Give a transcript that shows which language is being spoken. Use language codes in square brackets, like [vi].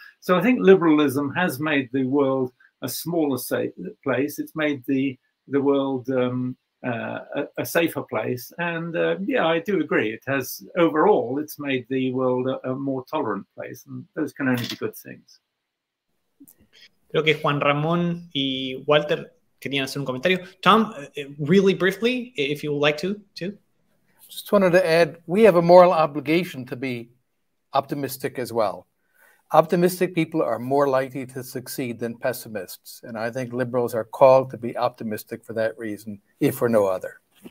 [en] So I think liberalism has made the world a smaller place. It's made the world a safer place. And I do agree. It has, overall, it's made the world a more tolerant place. And those can only be good things. [es] Creo que Juan Ramón y Walter querían hacer un comentario. [en] Tom, really briefly, if you would like to, too. Just wanted to add, we have a moral obligation to be optimistic as well. Optimistic people are more likely to succeed than pessimists. And I think liberals are called to be optimistic for that reason, if for no other.